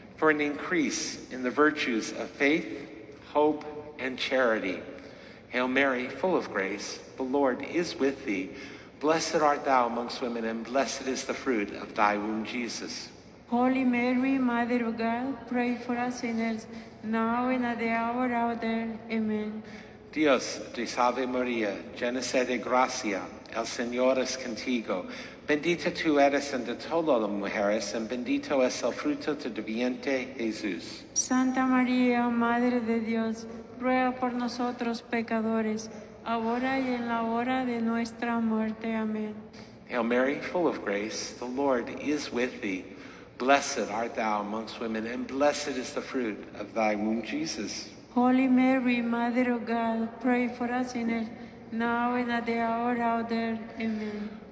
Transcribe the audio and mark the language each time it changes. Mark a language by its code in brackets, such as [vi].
[en] For an increase in the virtues of faith, hope, and charity. Hail Mary, full of grace, the Lord is with thee. Blessed art thou amongst women, and blessed is the fruit of thy womb, Jesus. Holy Mary, Mother of God, pray for us sinners, now and at the hour of our death. Amen. [es] Dios te salve Maria, llena eres de gracia, El Señor es contigo. Bendita tú eres entre todas las mujeres, y bendito es el fruto de tu vientre, Jesús. Santa María, Madre de Dios, ruega por nosotros pecadores, ahora y en la hora de nuestra muerte. Amén. [en] Hail Mary, full of grace, the Lord is with thee. Blessed art thou amongst women, and blessed is the fruit of thy womb, Jesus. Holy Mary, Mother of God, pray for us sinners, now and at the hour of our death. Amen.